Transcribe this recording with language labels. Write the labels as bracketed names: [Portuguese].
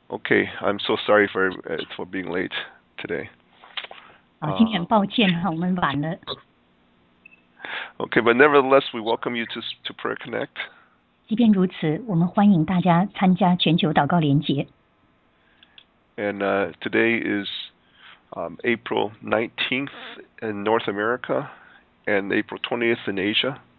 [English] Okay, I'm so sorry for being late today. [Chinese] 啊，今天很抱歉，我们晚了。 [English] Okay, but nevertheless, we welcome you to Prayer Connect. [Chinese] 即便如此，我们欢迎大家参加全球祷告联结。 [English] And today is April 19th in North America and April 20th in Asia.